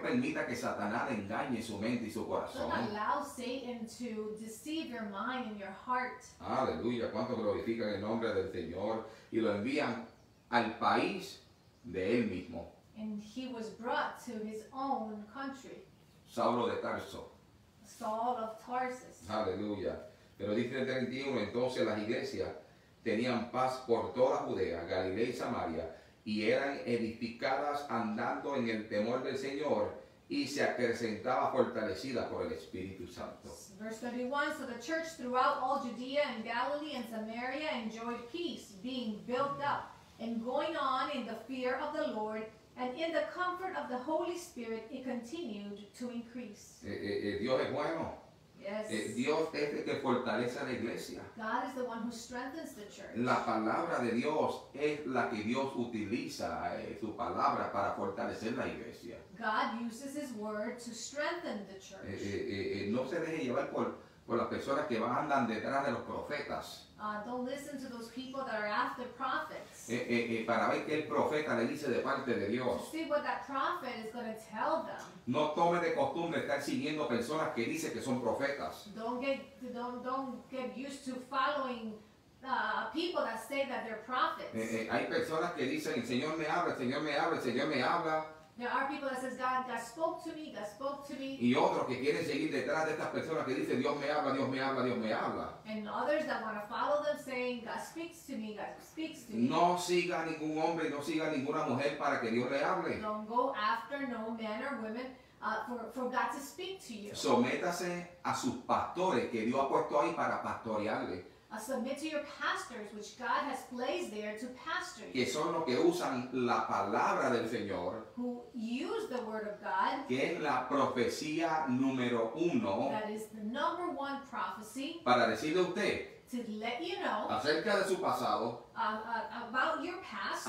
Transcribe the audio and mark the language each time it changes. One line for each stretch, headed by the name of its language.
Spanish: No permita que Satanás engañe su mente y su corazón.
English: Don't allow Satan to deceive your mind and your heart.
Spanish: Aleluya. ¿Cuánto glorifican el nombre del Señor? Y lo envían al país de él mismo.
English: And he was brought to his own country.
Spanish: Saulo de Tarso.
English: Saul of Tarsus.
Spanish: Aleluya. Pero dice el 31, entonces las iglesias tenían paz por toda Judea, Galilea y Samaria. Y eran edificadas andando en el temor del Señor, y se acrecentaba fortalecida por el Espíritu Santo.
English: Verse 31, so the church throughout all Judea and Galilee and Samaria enjoyed peace, being built up and going on in the fear of the Lord, and in the comfort of the Holy Spirit, it continued to increase.
Spanish: Dios es bueno.
English: Yes.
Spanish: Dios es el que fortalece a la iglesia.
English: God is the one who strengthens the church.
Spanish: La palabra de Dios es la que Dios utiliza, su palabra para fortalecer la iglesia.
English: God uses his word to strengthen the church.
Spanish: No se deje llevar por las personas que van andan detrás de los profetas.
English: Don't listen to those people that are after prophets.
Spanish: Para ver qué el profeta le dice de parte de Dios.
English: To see what that prophet is going to tell them.
Spanish: No tome de costumbre estar siguiendo personas que dice que son profetas.
English: Don't get used to following people that say that they're prophets.
Spanish: Hay personas que dicen, el Señor me habla, el Señor me habla, el Señor me habla.
English: There are people that says, God spoke to me, God spoke to me.
Spanish: Y otros que quieren seguir detrás de estas personas que dicen, Dios me habla, Dios me habla, Dios me habla.
English: And others that want to follow them saying, God speaks to me, God speaks to me.
Spanish: No siga ningún hombre, no siga ninguna mujer para que Dios le hable.
English: Don't go after no man or woman for God to speak to you.
Spanish: Sométase a sus pastores que Dios ha puesto ahí para pastorearle.
English: Submit to your pastors, which God has placed there to pastor you.
Spanish: Que son los que usan la palabra del Señor.
English: Who use the word of God.
Spanish: Que es la profecía número uno.
English: That is the number one prophecy.
Spanish: Para decirle a usted.
English: To let you know.
Spanish: Acerca de su pasado.
English: About your past.